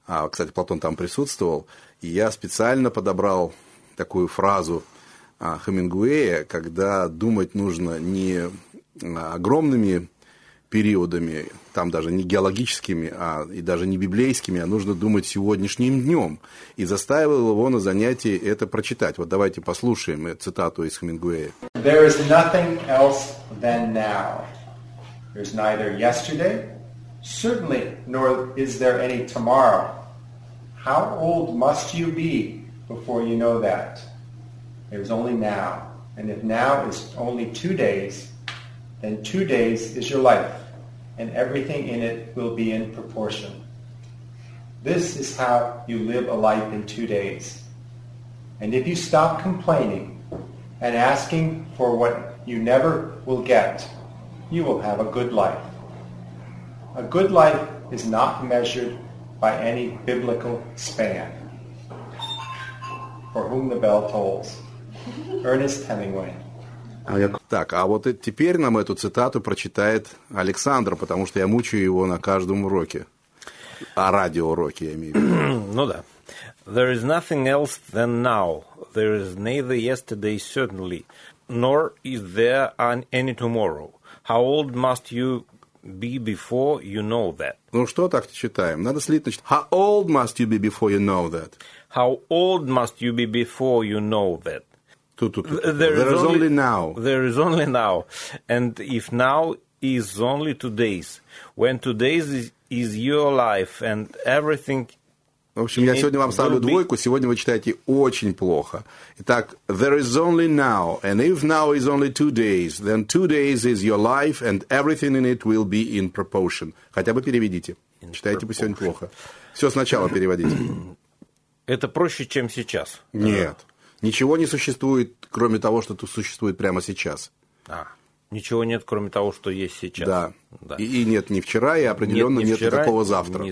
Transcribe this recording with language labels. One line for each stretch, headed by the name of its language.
Russian: Кстати, Платон там присутствовал. И я специально подобрал такую фразу Хемингуэя, когда думать нужно не огромными периодами, там даже не геологическими, а и даже не библейскими, а нужно думать сегодняшним днем. И заставил его на занятии это прочитать. Вот давайте послушаем цитату из Хемингуэя.
English: There is nothing else than now. There's neither yesterday, certainly, nor is there any tomorrow. How old must you be before you know that? It was only now. And if now is only 2 days, then 2 days is your life, and everything in it will be in proportion. This is how you live a life in 2 days. And if you stop complaining and asking for what you never will get, you will have a good life. A good life is not measured by any biblical span. For whom the bell tolls. Ernest Hemingway.
Russian: Так, а вот теперь нам эту цитату прочитает Александр, потому что я мучаю его на каждом уроке. А радиоуроке я имею в виду. Ну да.
English: There is nothing else than now. There is neither yesterday certainly, nor is there any tomorrow. How old must you be before you know that?
Russian: Ну что так читаем? Надо слить, значит,
English: how old must you be before you know that? How old must you be before you know that? There is only now. There is only now. And if now is only 2 days, when 2 days is your life and everything...
Russian: В общем, я сегодня вам ставлю двойку, сегодня вы читаете очень плохо. Итак,
English: there is only now, and if now is only 2 days, then 2 days is your life, and everything in it will be in proportion.
Russian: Хотя бы переведите. In читаете вы сегодня плохо. Все сначала переводите. Это проще, чем сейчас. Нет. Ничего не существует, кроме того, что существует прямо сейчас. А, ничего нет, кроме того, что есть сейчас. Да. Да. И нет ни вчера, и определенно нет никакого завтра.